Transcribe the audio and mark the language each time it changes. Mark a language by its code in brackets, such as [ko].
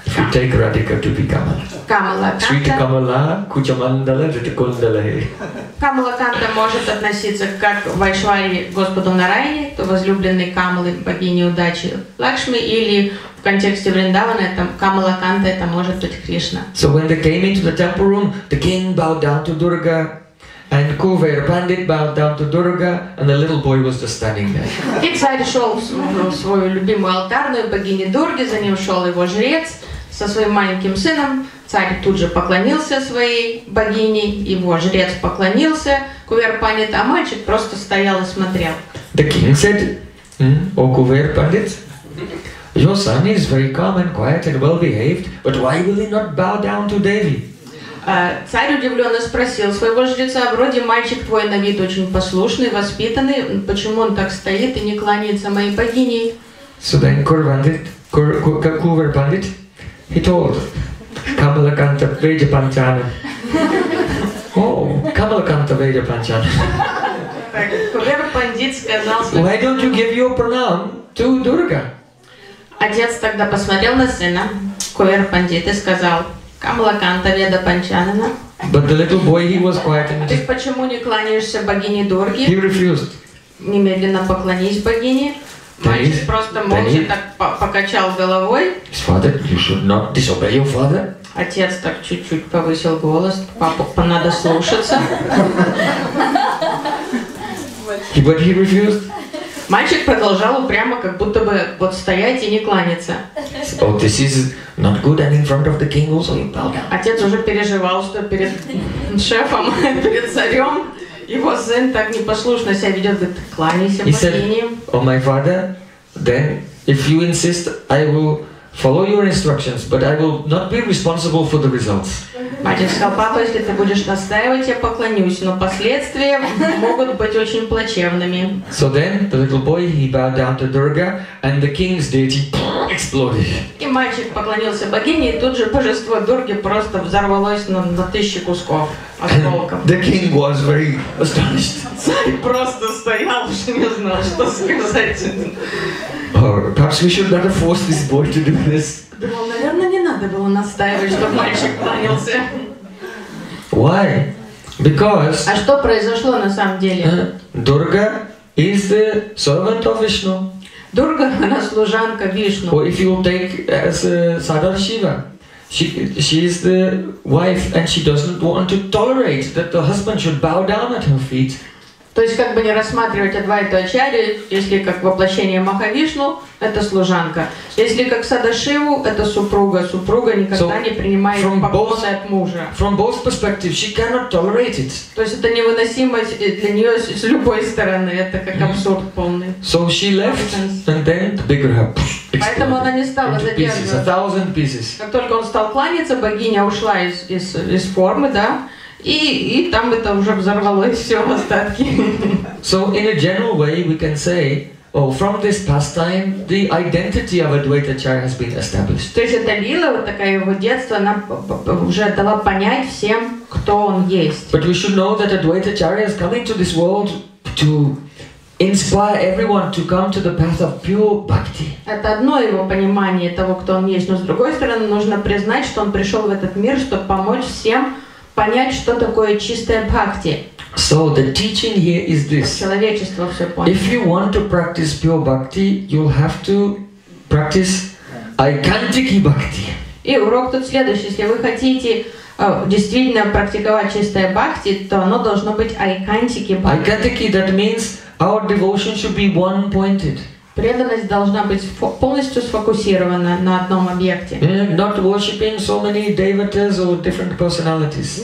[en] If you take Radhika to be Kamala. [ru] Камалаканта. [en] Sweet Kamala, Kuchamandala, Ritikundala. [ru] Камалаканта может относиться как Вайшвари Господу Нарайане, то возлюбленный Камалы, богини удачи Лакшми, или в контексте Вриндавана это Камалаканта, это может быть Кришна. [en] So when they came into the temple room, the king bowed down to Durga, and Kuvera Pandit bowed down to Durga, and the little boy was just standing there. [ru] И царь шел в свою любимую алтарную богиню Дурги, за ним шел его жрец со своим маленьким сыном. Царь тут же поклонился своей богине, его жрец поклонился Кувера Пандит, а мальчик просто стоял и смотрел. [en] The king said, "O Kuvera Pandit, your son is very calm and quiet and well behaved, but why will he not bow down to Devi?" [ru] Царь удивленно спросил своего жреца, вроде мальчик твой на вид очень послушный, воспитанный, почему он так стоит и не кланяется моей богине? [en] So then Kuvera Pandit, he told Камалаканта Веда Панчанана. Oh, Камалаканта Веда Панчанана. [ru] Kuvera Pandit сказал, [en] why don't you give your pranam to Durga? [ru] Отец тогда посмотрел на сына, Kuvera Pandit, и сказал, Камалаканта Веда Панчанана. [en] But the little boy, he was quiet. [ru] Ты почему не кланяешься богине Дурги? [en] He refused. [ru] Немедленно поклонись богине. Мальчик просто молча так покачал головой. [en] His father, you should not disobey your father. [ru] Отец так чуть-чуть повысил голос. Папу надо слушаться. [en] But he refused. [ru] Мальчик продолжал упрямо, как будто бы вот стоять и не кланяться. [en] Oh, this is not good. And in front of the king also he bowed down. [ru] Отец уже переживал, что перед шефом, перед царем, его сын так непослушно себя ведет, говорит, кланяйся богине. [en] He said, oh, my father, then, if you insist, I will follow your instructions, but I will not be responsible for the results. [ru] Отец сказал, папа, если ты будешь настаивать, я поклонюсь, но последствия могут быть очень плачевными. [en] So then the little boy, he bowed down to Durga, and the king's deity exploded. [ru] И мальчик поклонился богине, и тут же божество Дурги просто взорвалось на тысячи кусков осколков. [en] The king was very astonished. [ru] Царь просто стоял, что не знал, что сказать. [en] Or perhaps we should better force this boy to do this. [ru] Думал, наверное, не надо было настаивать, чтобы мальчик кланялся. [en] Why? Because. [ru] А что произошло на самом деле? [en] Дурга is the servant of Vishnu. [ru] Дурга, она служанка Вишну. [en] Or if you will take as Sadashiva, she is the wife, and she doesn't want to tolerate that the husband should bow down at her feet. [ru] То есть как бы не рассматривать Адвайту Ачарью, если как воплощение Махавишну, это служанка. Если как Садашиву, это супруга. Супруга никогда не принимает поклоны от мужа. From both perspectives, she cannot tolerate it. То есть это невыносимо для нее с любой стороны. Это как абсурд полный. [en] So she left, and then the bigger her [ru] Поэтому она не стала задерживаться. Как только он стал кланяться, богиня ушла из формы, да? И там это уже взорвалось все в остатки. [en] So in a general way we can say, oh, from this pastime the identity of Advaita Acharya has been established. [ru] То есть эта лила, вот такая его детство, она уже дала понять всем, кто он есть. [en] But we should know that Advaita Acharya is coming to this world to inspire everyone to come to the path of pure bhakti. [ru] Это одно его понимание того, кто он есть. Но с другой стороны нужно признать, что он пришел в этот мир, чтобы помочь всем. Понять, что такое чистая бхакти. [en] So the teaching here is this. [ru] Человечество все понял. [en] If you want to practice pure bhakti, you'll have to practice aikantiki bhakti. [ru] И урок тут следующий. Если вы хотите действительно практиковать чистая бхакти, то оно должно быть aikantiki bhakti. [en] Aikantiki, that means our devotion should be one-pointed. [ru] Преданность должна быть полностью сфокусирована на одном объекте. [en] Not worshipping so many devatas or different personalities.